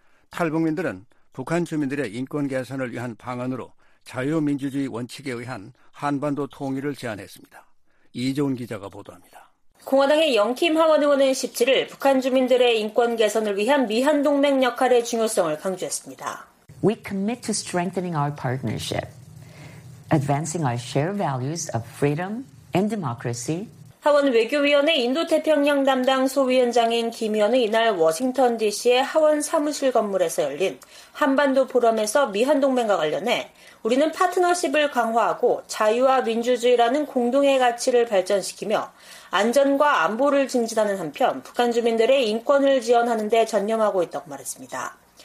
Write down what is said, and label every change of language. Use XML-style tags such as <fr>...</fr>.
<ko>탈북민들은 북한 주민들의 인권 개선을 위한 방안으로 자유민주주의 원칙에 의한 한반도 통일을 제안했습니다. 이종훈 기자가 보도합니다. 공화당의 영킴 하원의원은 17일 북한 주민들의 인권 개선을 위한 미한동맹 역할의 중요성을 강조했습니다.</ko> <en>We commit to strengthening our partnership, advancing our shared values of freedom and democracy.</en> <ko>하원 외교위원회 인도태평양 담당 소위원장인 김 의원은 이날 워싱턴 DC의 하원 사무실 건물에서 열린 한반도 포럼에서 미한동맹과 관련해 우리는 파트너십을 강화하고 자유와 민주주의라는 공동의 가치를 발전시키며 안전과 안보를 증진하는 한편 북한 주민들의 인권을 지원하는 데 전념하고 있다고 말했습니다.</ko>